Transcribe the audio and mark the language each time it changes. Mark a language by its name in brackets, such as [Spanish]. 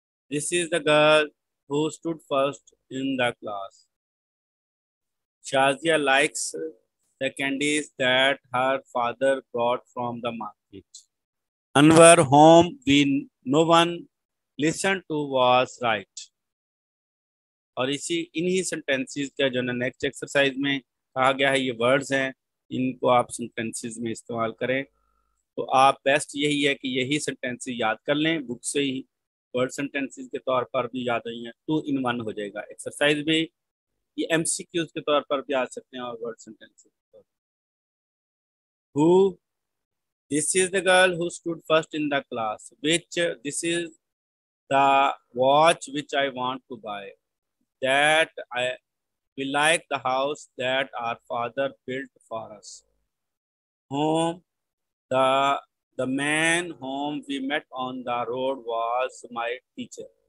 [English] This is the girl who stood first in the class. Shazia likes the candies that her father brought from the market. Anwar, whom we no one listened to, was right. [Urdu] اور اسی انہی sentences کا جو ہے نا next exercise میں کہا گیا ہے، یہ ورڈز ہیں، ان کو آپ سینٹینسز میں استعمال کریں۔ تو آپ بیسٹ یہی ہے کہ یہی سینٹینسز یاد کر لیں، بک سے ہی ورڈ سینٹینسز کے طور پر بھی یاد ہوئی ہیں، ٹو ان ون ہو جائے گا ایکسرسائز بھی، یہ ایم سی کیوز کے طور پر بھی آ سکتے ہیں اور ورڈ سینٹینسز کے طور پر۔ [English] This is the girl who stood first in the class. Which, this is the watch which I want to buy. That I, we like the house that our father built for us. Home, the man whom we met on the road was my teacher.